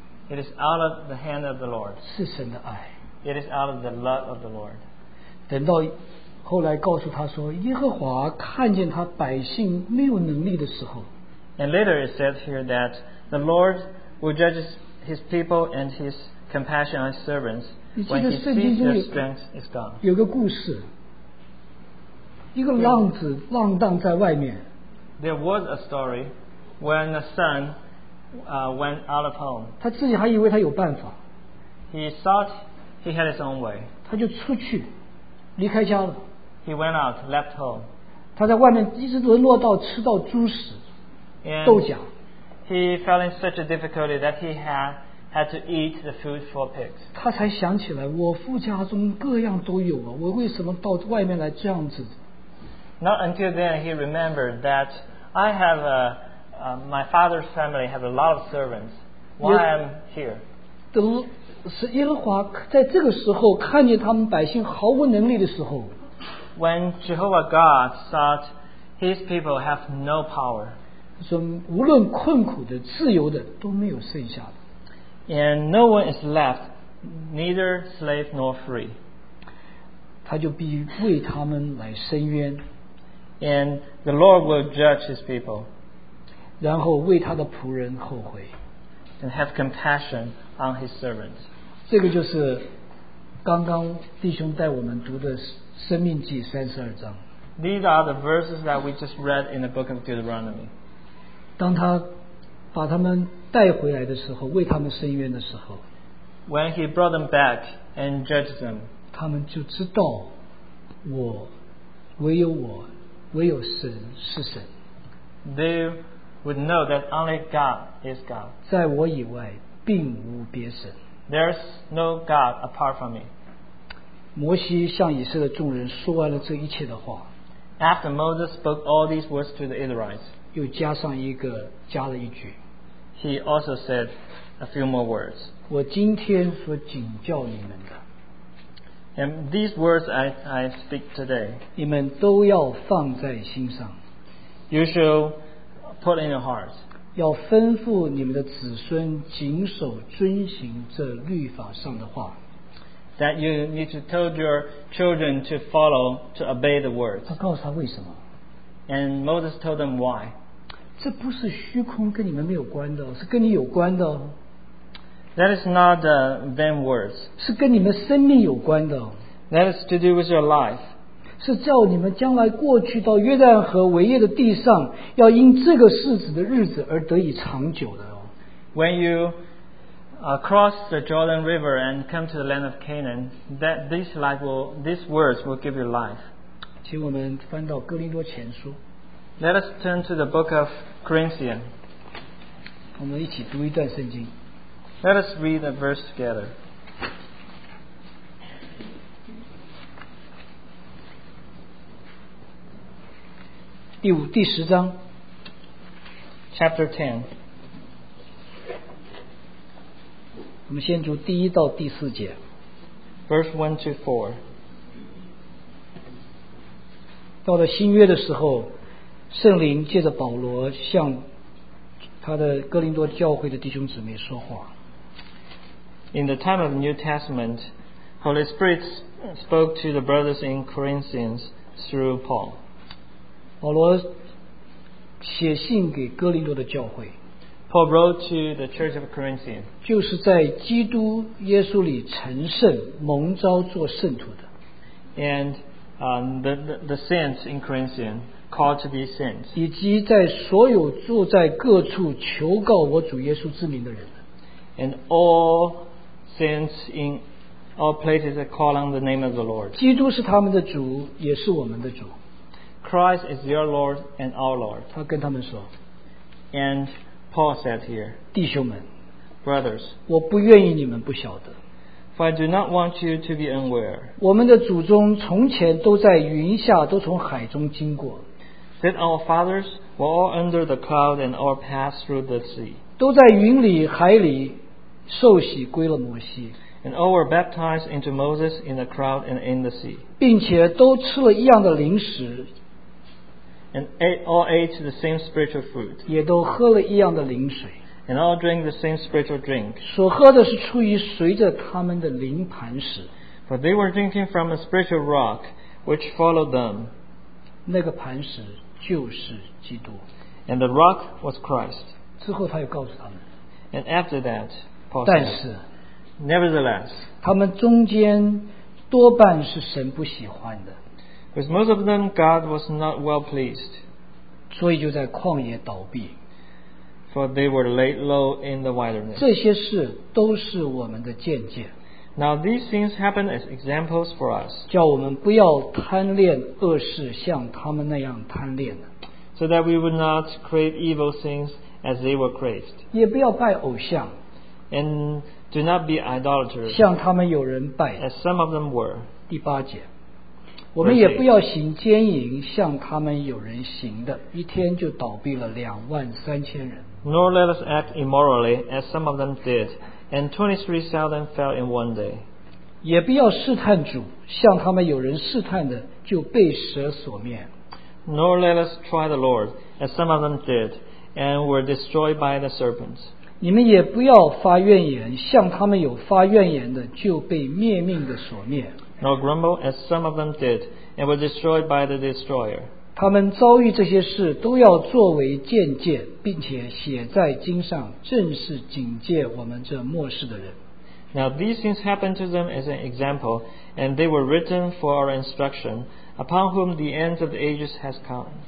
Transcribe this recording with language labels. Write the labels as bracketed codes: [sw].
[en] it is out of the hand of the Lord, [zh] 是神的爱， [en] it is out of the love of the Lord. [zh] 等到后来告诉他说，耶和华看见他百姓没有能力的时候。 [en] And later it says here that the Lord will judge his people and his compassion on his servants when he sees their strength is gone. [zh] 有个故事，一个浪子浪荡在外面。 [en] There was a story when a son went out of home. [zh] 他自己还以为他有办法。 [en] He thought he had his own way. [zh] 他就出去。离开家了。 [en] He went out, left home. [zh] 他在外面一直沦落到吃到猪屎、豆荚。 [en] He fell in such a difficulty that he had to eat the food for pigs. [zh] 他才想起来，我父家中各样都有啊，我为什么到外面来这样子？ [en] Not until then he remembered that I have my father's family have a lot of servants. Why I'm here? [zh] 是耶和华在这个时候看见他们百姓毫无能力的时候。 [en] When Jehovah God thought his people have no power. [zh] 说无论困苦的、自由的都没有剩下的。 [en] And no one is left, neither slave nor free. [zh] 他就必为他们来伸冤。 [en] And the Lord will judge his people. [zh] 然后为他的仆人后悔。 [en] And have compassion on his servants. [zh] 这个就是刚刚弟兄带我们读的《生命记》32章。 [en] These are the verses that we just read in the book of Deuteronomy. [zh] 当他把他们带回来的时候，为他们伸冤的时候 [en] ，When he brought them back and judged them， [zh] 他们就知道我唯有我，唯有神是神。 [en] They would know that only God is God。 [zh] 在我以外，并无别神。 [en] There's no God apart from me。 [zh] 摩西向以色列众人说完了这一切的话。 [en] After Moses spoke all these words to the Israelites， [zh] 又加上一个加了一句。 [en] He also said a few more words。 [zh] 我今天所警教你们的。 [en] And these words I speak today， [zh] 你们都要放在心上。 [en] You shall put in your hearts。 [zh] 要吩咐你们的子孙谨守遵行这律法上的话。 [en] That you need to tell your children to follow, to obey the words. [zh] 他告诉他为什么。 [en] And Moses told them why. [zh] 这不是虚空跟你们没有关的，是跟你有关的。 [en] That is not the vain words. [zh] 是跟你们生命有关的。 [en] That is to do with your life. [zh] 是叫你们将来过去到约旦河为业的地上，要因这个世子的日子而得以长久的。 [en] When you across the Jordan River and come to the land of Canaan, that this life will, these words will give you life. [zh] 请我们翻到哥林多前书。 [en] Let us turn to the book of Corinthians. [zh] 我们一起读一段圣经。 [en] Let us read a verse together. [zh] 第十章。 [en] Chapter 10. [zh] 我们先读第一到第四节 [en] Verse 1 to 4。 [zh] 到了新约的时候，圣灵借着保罗向他的哥林多教会的弟兄姊妹说话。 [en] In the time of the New Testament, Holy Spirit spoke to the brothers in Corinthians through Paul. [zh] 保罗写信给哥林多的教会。 [en] Paul wrote to the Church of Corinthians. [zh] 就是在基督耶稣里成圣，蒙召做圣徒的。 [en] And the saints in Corinthians called to be saints. [zh] 以及在所有住在各处求告我主耶稣之名的人。 [en] And all saints in all places that call on the name of the Lord. [zh] 基督是他们的主，也是我们的主。 [en] Christ is your Lord and our Lord. [zh] 他跟他们说。 [en] And Paul said here, [zh] 弟兄们, [en] brothers, [zh] 我不愿意你们不晓得, [en] for I do not want you to be unaware. [zh] 我们的祖宗从前都在云下, 都从海中经过, [en] that our fathers were all under the cloud and all passed through the sea. [zh] 都在云里, 海里, 受洗归了摩西, [en] and all were baptized into Moses in the cloud and in the sea. [zh] 并且都吃了一样的灵食。 [en] And all ate the same spiritual food. [zh] 也都喝了一样的灵水。 [en] And all drank the same spiritual drink. [zh] 所喝的是出于随着他们的灵磐石。 [en] For they were drinking from a spiritual rock which followed them. [zh] 那个磐石就是基督。 [en] And the rock was Christ. [zh] 之后他又告诉他们。 [en] And after that, Paul said, [zh] 但是, [en] nevertheless, [zh] 他们中间多半是神不喜欢的。 [en] With most of them, God was not well pleased. [zh] 所以就在旷野倒闭。 [en] For they were laid low in the wilderness. [zh] 这些事都是我们的见解。 [en] Now these things happen as examples for us. [zh] 叫我们不要贪恋恶事，像他们那样贪恋。 [en] So that we would not crave evil things as they were craved. [zh] 也不要拜偶像。 [en] And do not be idolaters. [zh] 像他们有人拜。 [en] As some of them were. [zh] 第八节。我们也不要行奸淫，像他们有人行的，一天就倒闭了两万三千人。 [en] Nor let us act immorally, as some of them did, and 23,000 fell in one day. [zh] 也不要试探主，像他们有人试探的，就被蛇所灭。 [en] Nor let us try the Lord, as some of them did, and were destroyed by the serpents. [zh] 你们也不要发怨言，像他们有发怨言的，就被灭命的所灭。 [en] Nor grumble as some of them did, and were destroyed by the destroyer. [zh] 他们遭遇这些事都要作为鉴戒，并且写在经上，正是警戒我们这末世的人。 [en] Now these things happened to them as an example, and they were written for our instruction, upon whom the end of the ages has come.